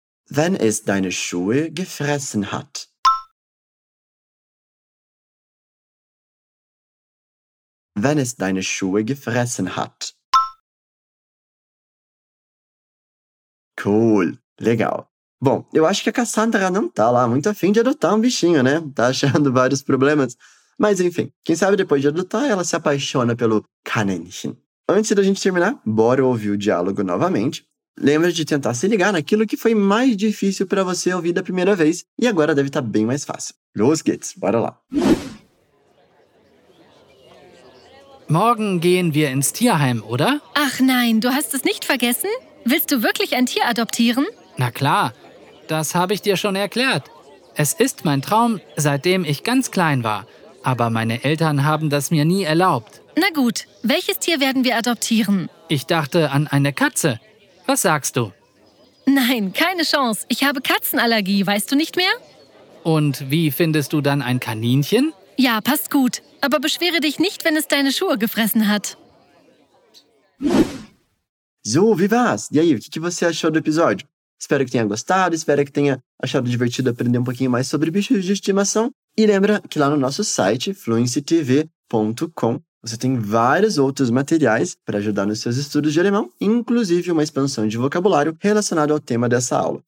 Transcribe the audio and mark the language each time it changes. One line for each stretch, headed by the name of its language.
German: Wenn es deine Schuhe gefressen hat. Wenn es deine Schuhe gefressen hat.
Portuguese: Cool, legal. Bom, eu acho que a Cassandra não tá lá muito afim de adotar um bichinho, né? Tá achando vários problemas. Mas enfim, quem sabe depois de adotar, ela se apaixona pelo Kaninchen. Antes da gente terminar, bora ouvir o diálogo novamente. Lembra de tentar se ligar naquilo que foi mais difícil para você ouvir da primeira vez e agora deve estar bem mais fácil.
German: Los geht's,
Portuguese: bora lá.
German: Morgen gehen wir ins Tierheim, oder? Ach nein, du hast es nicht vergessen? Willst du wirklich ein Tier adoptieren? Na klar, das habe ich dir schon erklärt. Es ist mein Traum, seitdem ich ganz klein war. Aber meine Eltern haben das mir nie erlaubt. Na gut, welches Tier werden wir adoptieren? Ich dachte an eine Katze. Was sagst du? Nein, keine Chance. Ich habe Katzenallergie, weißt du nicht mehr? Und wie findest du dann ein Kaninchen? Ja, passt gut. Aber beschwere dich nicht, wenn es deine Schuhe gefressen hat. So, wie war's?
Portuguese: E aí, o que você achou do episódio? Espero que tenha gostado, espero que tenha achado divertido aprender um pouquinho mais sobre bichos de estimação. E lembra que lá no nosso site, fluencytv.com, você tem vários outros materiais para ajudar nos seus estudos de alemão, inclusive uma expansão de vocabulário relacionado ao tema dessa aula.